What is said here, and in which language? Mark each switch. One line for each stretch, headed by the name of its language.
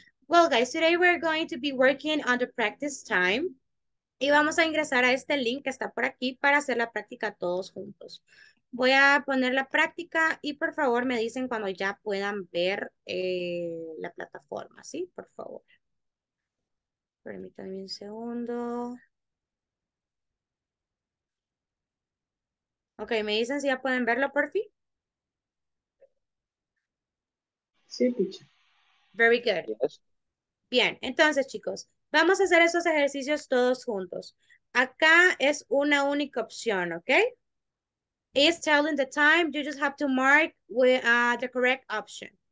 English: Well, guys, today we're going to be working on the practice time.
Spanish: Y vamos a ingresar a este link que está por aquí para hacer la práctica todos juntos. Voy a poner la práctica y por favor me dicen cuando ya puedan ver la plataforma, ¿sí? Por favor. Permítanme un segundo. Ok, me dicen si ya pueden verlo por fin. Sí, picha.
English: Very good. Yes.
Spanish: Bien, entonces, chicos, vamos a hacer esos ejercicios todos juntos. Acá es una única opción, ¿ok?
English: It's telling the time, you just have to mark with the correct option.